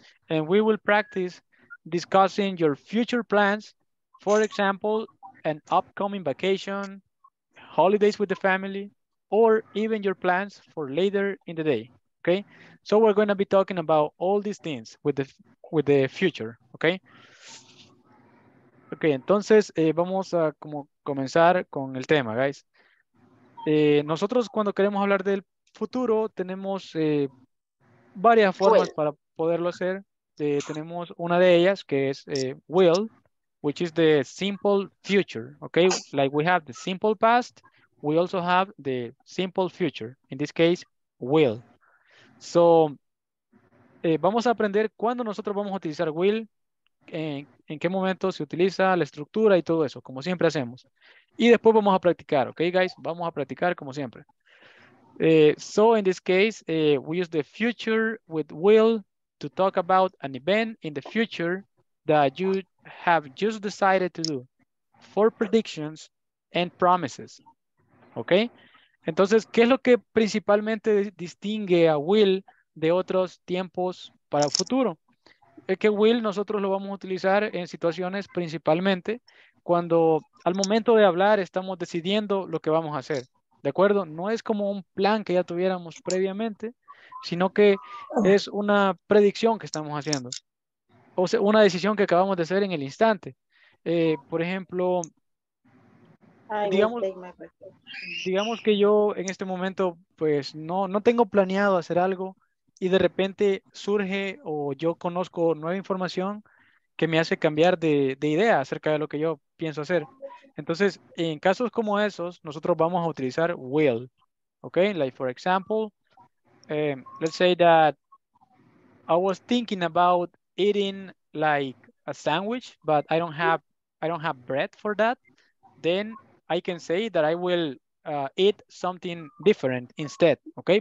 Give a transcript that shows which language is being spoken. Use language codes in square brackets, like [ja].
[en] And we will practice discussing your future plans, for example, an upcoming vacation, holidays with the family, or even your plans for later in the day, okay? So we're going to be talking about all these things with the future, okay? [es] Ok, entonces vamos a como comenzar con el tema, guys. Nosotros cuando queremos hablar del futuro, tenemos varias formas para poderlo hacer. Tenemos una de ellas que es will, [en] which is the simple future. Ok, like we have the simple past, we also have the simple future. In this case, will. [es] So, vamos a aprender cuándo nosotros vamos a utilizar will. En qué momento se utiliza la estructura y todo eso, como siempre hacemos. Y después vamos a practicar, ok, guys? Vamos a practicar como siempre. [en] So, in this case, we use the future with will to talk about an event in the future that you have just decided to do. Four predictions and promises. Okay? [es] Entonces, ¿qué es lo que principalmente distingue a will de otros tiempos para el futuro? Es que will nosotros lo vamos a utilizar en situaciones principalmente cuando al momento de hablar estamos decidiendo lo que vamos a hacer. ¿De acuerdo? No es como un plan que ya tuviéramos previamente, sino que es una predicción que estamos haciendo. O sea, una decisión que acabamos de hacer en el instante. Por ejemplo, digamos que yo en este momento pues no tengo planeado hacer algo y de repente surge o yo conozco nueva información que me hace cambiar de idea acerca de lo que yo pienso hacer. Entonces, en casos como esos, nosotros vamos a utilizar will. [en] Okay? Like, for example, let's say that I was thinking about eating like a sandwich, but I don't have bread for that. Then I can say that I will eat something different instead. Okay?